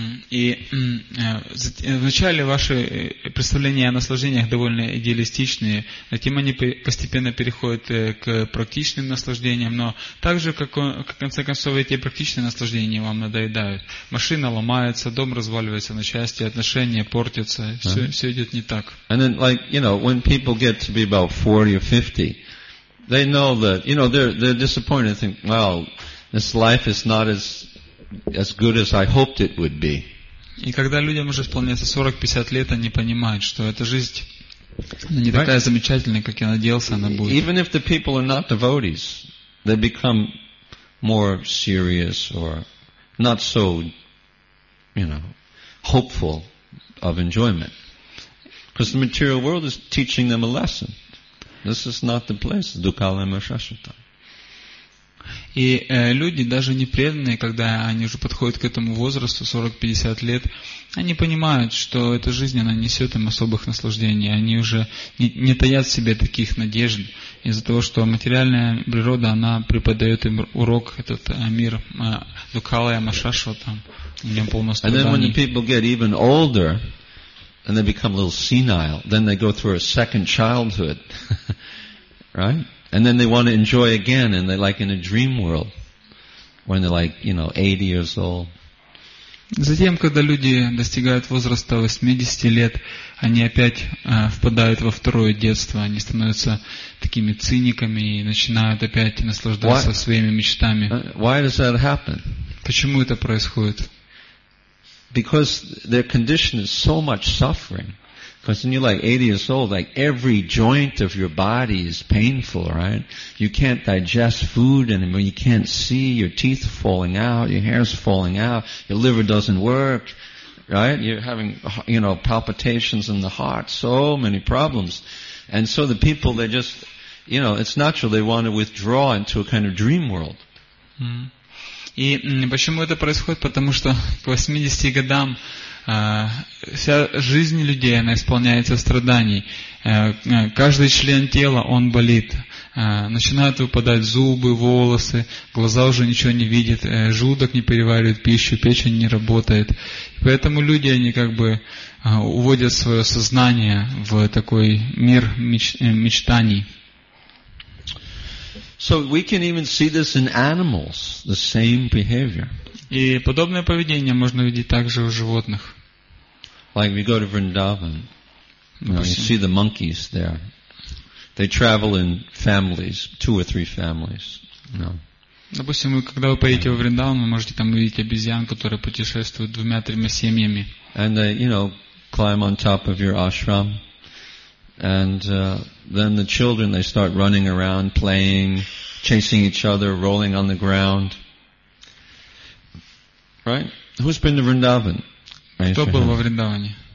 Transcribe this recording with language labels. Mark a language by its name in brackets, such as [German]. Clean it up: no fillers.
[Russian] И вначале ваши представления о наслаждениях довольно идеалистичные, затем они постепенно переходят к практичным наслаждениям, но также, в конце концов, эти практичные наслаждения вам надоедают. Машина ломается, дом разваливается на части, отношения портятся, все идет не так. [English] And then, like, you know, when people get to be about 40 or 50, they know that, you know, they're disappointed, think, well, this life is not as good as I hoped it would be. [Russian] И когда людям уже исполняется 40-50 лет, они понимают, что эта жизнь не такая замечательная, как я надеялся, она будет. [English] Even if the people are not devotees, they become more serious or not so, you know, hopeful of enjoyment. Because the material world is teaching them a lesson. This is not the place, Dukalama Shashata. [Russian] И люди, даже не преданные, когда они уже подходят к этому возрасту, 40-50 лет, они понимают, что эта жизнь, она несет им особых наслаждений. Они уже не таят в себе таких надежд из-за того, что материальная природа, она преподает им урок, этот мир Дукалая Машашвата, в нем полно страданий. [English] And then when the people get even older, and they become a little senile, then they go through a second childhood, right? And then they want to enjoy again, and they're like in a dream world when they're like, you know, 80 years old. [Russian] Затем, когда люди достигают возраста 80 лет, они опять впадают во второе детство, они становятся такими циниками и начинают опять наслаждаться своими мечтами. [English] Why does that happen? [Russian] Почему это происходит? [English] Because their condition is so much suffering. Because when you're like 80 years old, like every joint of your body is painful, right? You can't digest food anymore. You can't see. Your teeth falling out. Your hair's falling out. Your liver doesn't work. right? You're having, you know, palpitations in the heart, so many problems. And so the people, they just, you know, it's natural, they want to withdraw into a kind of dream world. [Russian] И почему это происходит? Потому что к 80 годам вся жизнь людей, она исполняется страданий. Каждый член тела, он болит. Начинают выпадать зубы, волосы, глаза уже ничего не видят, желудок не переваривает пищу, печень не работает. Поэтому люди, они как бы уводят свое сознание в такой мир мечтаний. [English] So we can even see this in animals, the same behavior. [Russian] И подобное поведение можно видеть также у животных. [English] Like we go to Vrindavan, you see the monkeys there. They travel in families, two or three families. No. [Russian] Допустим, когда вы поедете в Вриндаван, вы можете там увидеть обезьян, которые путешествуют двумя-тремя семьями. [English] And they, you know, climb on top of your ashram. And then the children, they start running around, playing, chasing each other, rolling on the ground. Right? Who's been to Vrindavan? [Russian] Кто был во Вриндаване?